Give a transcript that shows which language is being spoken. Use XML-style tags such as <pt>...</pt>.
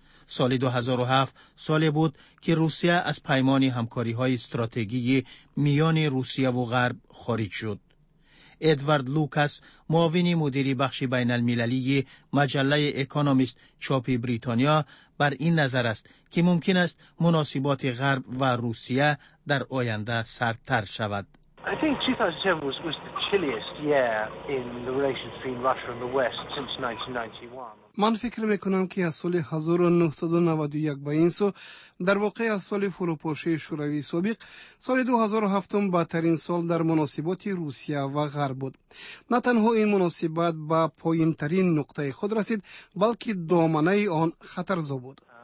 <fa>سال 2007 ساله بود که روسیه از پیمان همکاری‌های استراتژیک میان روسیه و غرب خارج شد. ادوارد لوکاس، معاون مدیری بخش بین المللی مجله اکونومیست چاپ بریتانیا، بر این نظر است که ممکن است مناسبات غرب و روسیه در آینده سردتر شود.</fa> <en>I think 2007 was the chilliest year in the relations between Russia and the West since 1991.</en> <fa>من فکر میکنم که از سال 1991 به این سو در واقع از سال فروپاشی شوروی سابق سال 2007 بدترین سال در مناسبات روسیه و غرب بود. نه تنها این مناسبات به پایین ترین نقطه خود رسید بلکه دامنه آن خطرزا بود.</fa>